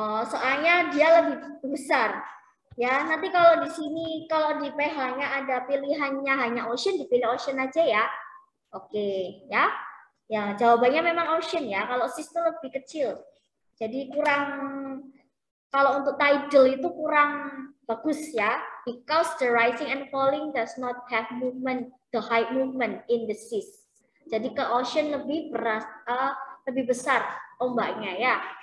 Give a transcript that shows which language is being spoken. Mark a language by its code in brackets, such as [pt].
[id] Soalnya dia lebih besar. Ya, nanti kalau di sini, kalau di PH-nya ada pilihannya hanya ocean, dipilih ocean aja ya. Oke, ya. Ya, jawabannya memang ocean ya. Kalau sis itu lebih kecil. Jadi kurang, kalau untuk tidal itu kurang bagus ya. [en] Because the rising and falling does not have movement, the high movement in the seas. [id] Jadi ke ocean lebih beras, lebih besar ombaknya ya.